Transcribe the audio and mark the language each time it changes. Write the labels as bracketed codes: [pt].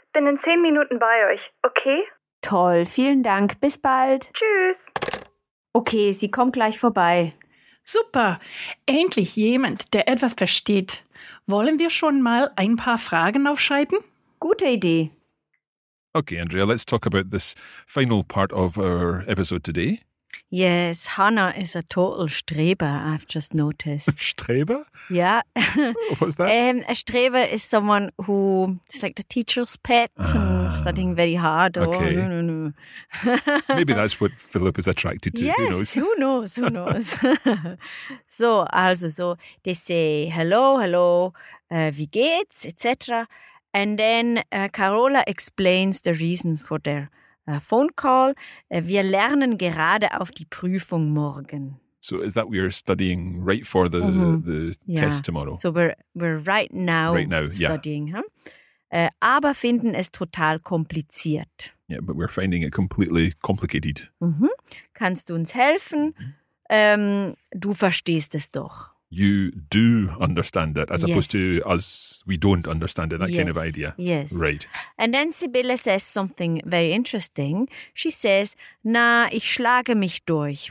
[de] Bin in 10 Minuten bei euch, okay? Toll, vielen Dank. Bis bald. Tschüss. Okay, sie kommt gleich vorbei. Super, endlich jemand, der etwas versteht. Wollen wir schon mal ein paar Fragen aufschreiben? Gute Idee. [en] Okay, Andrea, let's talk about this final part of our episode today. Yes, Hannah is a total Streber, I've just noticed. [de] Streber? [en] Yeah. What's that? A Streber is someone who is like the teacher's pet, studying very hard. Okay. Oh, no. Maybe that's what Philip is attracted to. Yes, who knows? Who knows? So they say, hello, [de] wie geht's, [en] etc. And then Carola explains the reason for their phone call. [de] Wir lernen gerade auf die Prüfung morgen. [en] So is that we are studying right for the test tomorrow? So we're right now studying. Yeah. [de] Aber finden es total kompliziert. [en] Yeah, but we're finding it completely complicated. [de] Mm-hmm. Kannst du uns helfen? Mm-hmm. Du verstehst es doch. [en] You do understand it, as opposed to us, we don't understand it, that kind of idea. Yes. Right. And then Sibylle says something very interesting. She says, [de] na, ich schlage mich durch.